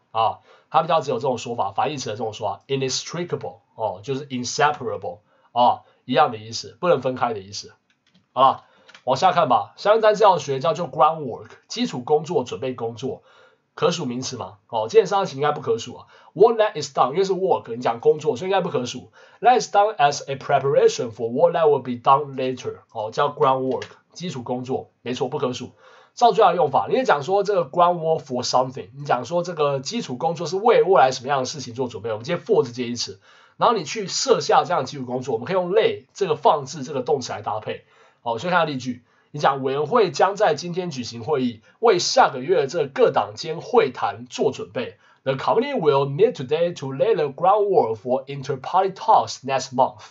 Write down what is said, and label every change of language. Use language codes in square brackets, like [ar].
[zh] 啊，它比较只有这种说法，反义词的这种说法 ，inextricable， 哦，就是 inseparable， 啊，一样的意思，不能分开的意思，好了，往下看吧。下面单词要学叫做 groundwork， 基础工作、准备工作。可数名词吗？哦，基本上应该不可数啊。 [en] What that is done， [zh] 因为是 work， 你讲工作，所以应该不可数。 [en] That is done as a preparation for what that will be done later。 [zh] 哦，叫 groundwork， 基础工作，没错，不可数。照最好的用法，你也讲说这个 groundwork for something， 你讲说这个基础工作是为未来什么样的事情做准备。我们接 for 这一词，然后你去设下这样的基础工作，我们可以用 lay 这个放置这个动词来搭配。哦，所以看下例句。你讲委员会将在今天举行会议，为下个月这各党间会谈做准备。 [en] The committee will meet today to lay the groundwork for inter-party talks next month。